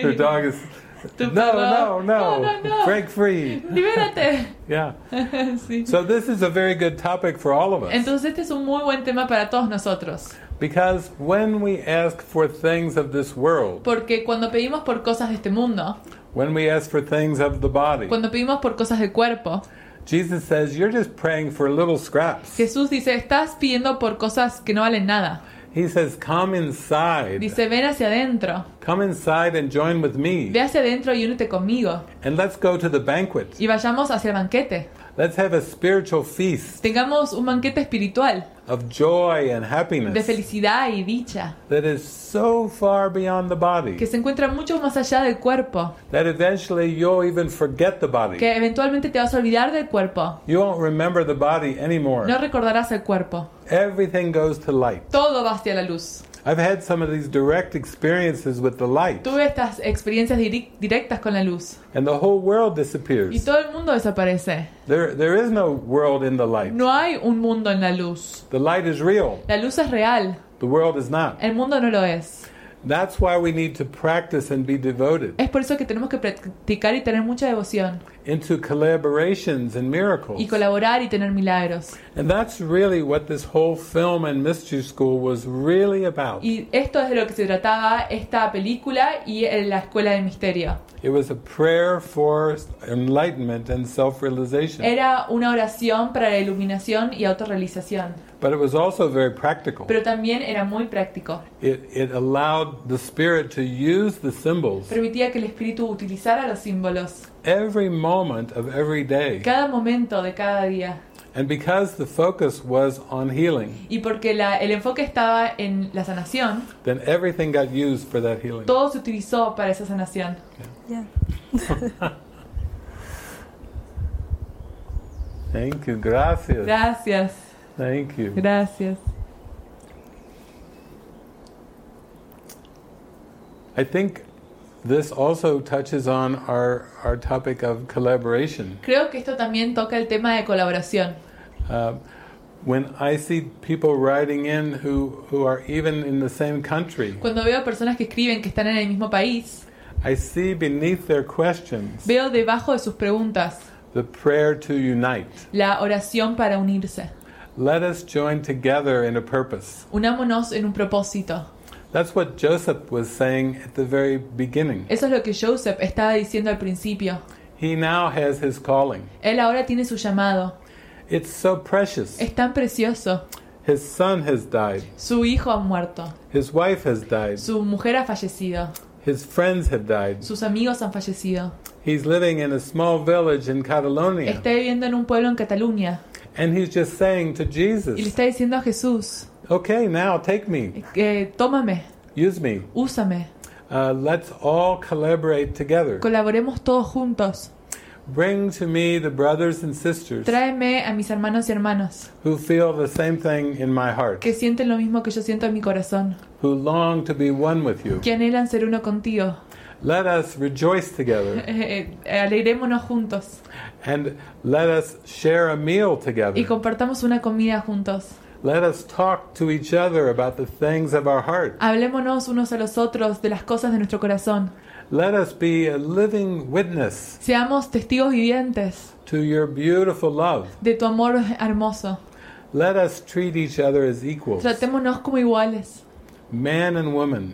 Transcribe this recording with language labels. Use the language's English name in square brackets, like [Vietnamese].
[English] Your dog is. No, no, no, no, no, no. Break free. [Spanish] Libérate. [English] Yeah. [Spanish] Sí. [English] So this is a very good topic for all of us. [Spanish] Entonces este es un muy buen tema para todos nosotros. [English] Because when we ask for things of this world, [Spanish] porque cuando pedimos por cosas de este mundo, [English] when we ask for things of the body, [Spanish] cuando pedimos por cosas del cuerpo, [English] Jesus says you're just praying for little scraps. [Spanish] Jesús dice estás pidiendo por cosas que no valen nada. [English] He says, "Come inside." [Spanish] Dice, ven hacia adentro. [English] Come inside and join with me. [Spanish] Ve hacia adentro y únete conmigo. [English] And let's go to the banquet. [Spanish] Y vayamos hacia el banquete. [English] Let's have a spiritual feast. [Spanish] Tengamos un banquete espiritual. [English] Of joy and happiness. [Spanish] De felicidad y dicha. [English] That is so far beyond the body. [Spanish] Que se encuentra mucho más allá del cuerpo. [English] That eventually you'll even forget the body. [Spanish] Que eventualmente te vas a olvidar del cuerpo. [English] You won't remember the body anymore. [Spanish] No recordarás el cuerpo. [English] Everything goes to light. [Spanish] Todo va hacia la luz. [English] I've had some of these direct experiences with the light. [Spanish] Tuve estas experiencias directas con la luz. [English] And the whole world disappears. [Spanish] Y todo el mundo desaparece. [English] There is no world in the light. [Spanish] No hay un mundo en la luz. [English] The light is real. [Spanish] La luz es real. [English] The world is not. [Spanish] El mundo no lo es. [English] That's why we need to practice and be devoted. [Spanish] Es por eso que tenemos que practicar y tener mucha devoción. [English] Into collaborations and miracles. [Spanish] Y colaborar y tener milagros. [English] And that's really what this whole film and mystery school was really about. [Spanish] Y esto es de lo que se trataba esta película y la escuela de misterio. [English] It was a prayer for enlightenment and self-realization. [Spanish] Era una oración para la iluminación y autorrealización. [English] But it was also very practical. [Spanish] Pero también era muy práctico. [English] It allowed the spirit to use the symbols. [Spanish] Permitía que el espíritu utilizara los símbolos. [English] Every moment of every day. [Spanish] Cada momento de cada día. [English] And because the focus was on healing. [Spanish] Y porque el enfoque estaba en la sanación. [English] Then everything got used for that healing. [Spanish] Todo se utilizó para esa sanación. [English] Yeah. Thank you. [Spanish] Gracias. Gracias. [English] Thank you. [Spanish] Gracias. [English] I think this also touches on our topic of collaboration. [Spanish] Creo que esto también toca el tema de colaboración. [English] When I see people writing in who are even in the same country. [Spanish] Cuando veo personas que escriben que están en el mismo país. [English] I see beneath their questions. [Spanish] Veo debajo de sus preguntas. [English] The prayer to unite. [Spanish] La oración para unirse. [English] Let us join together in a purpose. [Spanish] Unámonos en un propósito. [English] That's what Joseph was saying at the very beginning. [Spanish] Eso es lo que Joseph estaba diciendo al principio. [English] He now has his calling. [Spanish] Él ahora tiene su llamado. [English] It's so precious. [Spanish] Es tan precioso. [English] His son has died. [Spanish] Su hijo ha muerto. [English] His wife has died. [Spanish] Su mujer ha fallecido. [English] His friends have died. [Spanish] Sus amigos han fallecido. [English] He's living in a small village in Catalonia. [Spanish] Está viviendo en un pueblo en Cataluña. [English] And he's just saying to Jesus. [Spanish] Y le está diciendo a Jesús. [English] Okay, now take me. [Spanish] Tómame. [English] Use me. [Spanish] Úsame. [English] Let's all collaborate together. [Spanish] Colaboremos todos juntos. [English] Bring to me the brothers and sisters. [Spanish] Tráeme a mis hermanos y hermanas. [English] Who feel the same thing in my heart. [Spanish] Que sienten lo mismo que yo siento en mi corazón. [English] Who long to be one with you. [Spanish] Que anhelan ser uno contigo. [English] Let us rejoice together. [Spanish] Alegrémonos juntos. [English] And let us share a meal together. [Spanish] Y compartamos una comida juntos. [English] Let us talk to each other about the things of our heart. [Spanish] Hablémonos unos a los otros de las cosas de nuestro corazón. [English] Let us be a living witness. [Spanish] Seamos testigos vivientes. [English] To your beautiful love. [Spanish] De tu amor hermoso. [English] Let us treat each other as equals. [Spanish] Tratémonos como iguales. [English] Man and woman.